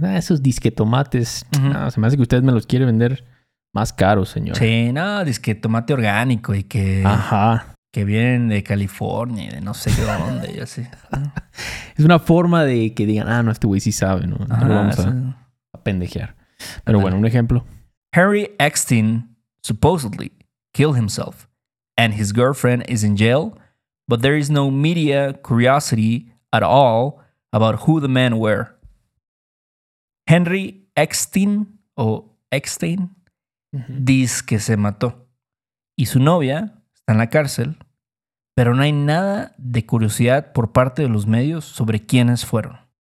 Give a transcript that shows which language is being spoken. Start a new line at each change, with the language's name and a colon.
Spanish: Ah, esos disquetomates. Uh-huh. No, se me hace que usted me los quiere vender más caros, señor. Sí, no, disquetomate orgánico y que... Ajá. Que vienen de California y de no sé qué de dónde y así. Es una forma de que digan, ah, no, este güey sí sabe, ¿no? Ajá, no lo vamos a pendejear. Pero bueno, un ejemplo...
English: Harry Eckstein supposedly killed himself and his girlfriend is in jail, but there is no media curiosity at all about who the man were.
Spanish: Henry Eckstein o Eckstein dice que se mató y su novia está en la cárcel, pero no hay nada de curiosidad por parte de los medios sobre quiénes fueron.